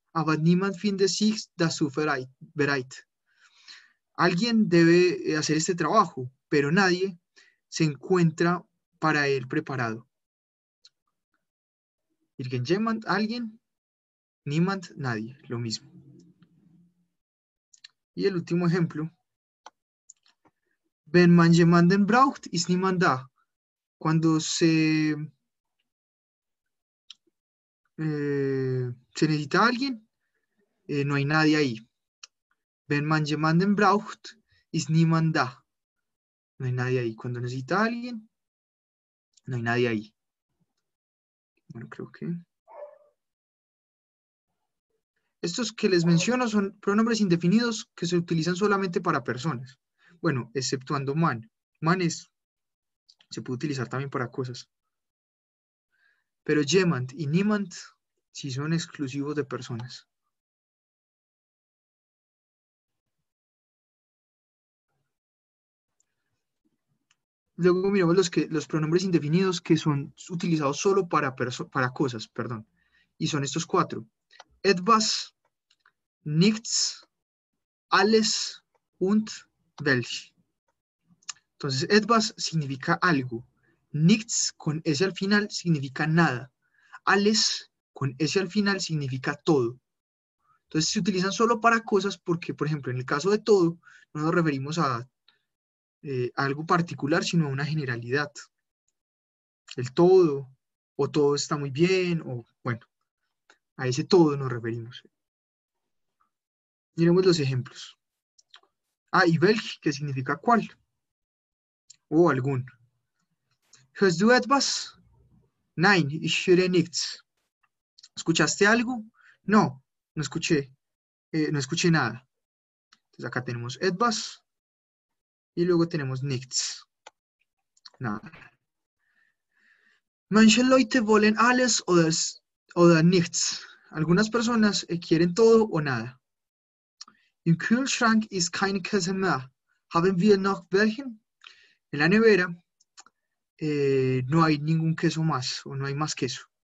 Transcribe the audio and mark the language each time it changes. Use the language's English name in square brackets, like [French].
[German] Aber niemand finde sich dazu bereit. [Spanish] Alguien debe hacer este trabajo, pero nadie se encuentra para él preparado. Irgendjemand, alguien, niemand, nadie, lo mismo. Y el último ejemplo. [German] Wenn man jemanden braucht, ist niemand da. [Spanish] Cuando se necesita a alguien, no hay nadie ahí. [German] Wenn man jemanden braucht, ist niemand da. [Spanish] No hay nadie ahí. Cuando necesita a alguien, no hay nadie ahí. Bueno, creo que estos que les menciono son pronombres indefinidos que se utilizan solamente para personas. Bueno, exceptuando man. Man se puede utilizar también para cosas. Pero jemand y niemand sí son exclusivos de personas. Luego miramos los pronombres indefinidos que son utilizados solo para cosas, perdón. Y son estos cuatro. [German] Etwas, nichts, alles und welch. [Spanish] Entonces, etwas significa algo. Nichts con S al final significa nada. Alles con S al final significa todo. Entonces, se utilizan solo para cosas porque, por ejemplo, en el caso de todo, no nos referimos a algo particular, sino a una generalidad. El todo, o todo está muy bien, o bueno, a ese todo nos referimos. Miremos los ejemplos. Ah, y Belg, que significa cuál. O algún. [German] ¿Hörst du etwas? Nein, ich höre nichts. [Spanish] ¿Escuchaste algo? No, no escuché. No escuché nada. Entonces acá tenemos etwas. Y luego tenemos nichts. Nada. [German] Manche Leute wollen alles oder nichts. [Spanish] Algunas personas quieren todo o nada. [German] Im Kühlschrank ist kein Käse mehr. Haben wir noch welchen? [Spanish] En la nevera no hay ningún queso más o no hay más queso.